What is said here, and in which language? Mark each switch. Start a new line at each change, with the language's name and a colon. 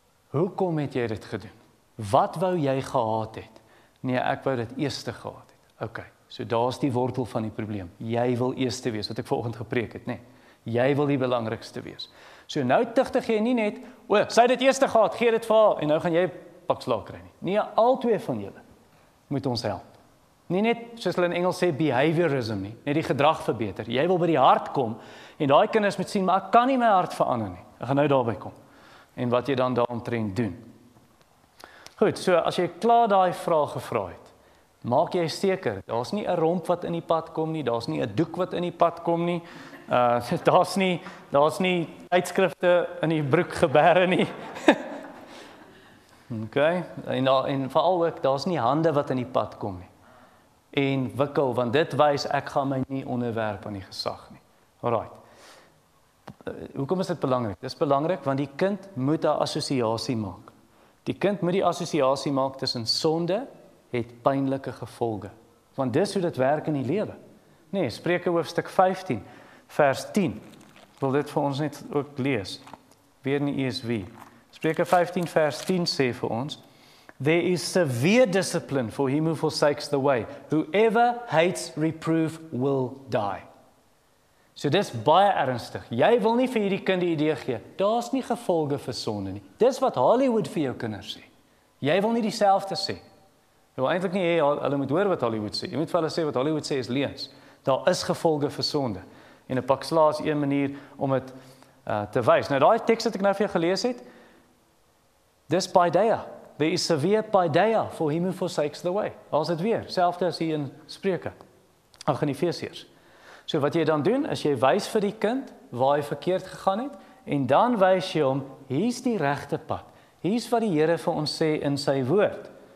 Afrikaans: Hoekom het jy dit gedoen? Wat wou jy gehad het? Nee, ek wou dit eerste gehad het. Ok, so daar is die wortel van die probleem. Jy wil eerste wees, wat ek vanoggend gepreek het, nee. Jy wil die belangrikste wees. So nou tugtig jy nie net, o, sy het dit eerste gehad, gee dit vir haar, en nou gaan jy pak slaak kry nie. Nee, al twee van julle moet ons help. Nie net, soos hulle in Engels sê, behaviorism nie, net die gedrag verbeter. Jy wil by die hart kom, en daai kinders moet sien, maar ek kan nie my hart verander nie. Ek gaan nou daarby kom. En wat jy dan daaromtrent doen. Goed, so as jy klaar daai vraag gevra het, maak jy seker, daar's nie 'n romp wat in die pad kom nie, daar's nie 'n doek wat in die pad kom nie, daar's nie tydskrifte in die broek gebere nie. Ok, en veral ook, daar's nie hande wat in die pad kom nie. En wikkel, want dit wys ek gaan my nie onderwerp aan die gesag nie. Alright. Hoekom is dit belangrik? Dit is belangrik, want die kind moet 'n assosiasie maak. Die kind moet die assosiasie maak tussen sonde het pynlike gevolge. Want dis hoe dit werk in die lewe. Nee, Spreuke hoofstuk 15 vers 10. Ek wil dit vir ons net ook lees. Weer in die ESV.
English: Spreuke 15 vers 10 sê vir ons, There is severe discipline for him who forsakes the way. Whoever hates reproof will die.
Afrikaans: So dis baie ernstig. Jy wil nie vir hierdie kind die idee gee. Daar's nie gevolge vir sonde nie. Dis wat Hollywood vir jou kinders sê. Jy wil nie dieselfde sê. Jy wil eintlik nie hê hulle moet hoor wat Hollywood sê. Jy moet vir hulle sê wat Hollywood sê is leuns. Daar is gevolge vir sonde. En 'n pak slaa is een manier om dit te wys. Nou daai teks wat ek nou vir jou gelees het, dis paideia.
English: There is severe paideia for him who forsakes the way.
Afrikaans: Daar's dit weer. Selfde as hier in Spreuke. Ag in Efesiërs. So wat jy dan doen, is jy wys vir die kind waar hy verkeerd gegaan het, en dan wys jy hom, hier's die regte pad. Hier's wat die Here vir ons sê in sy woord.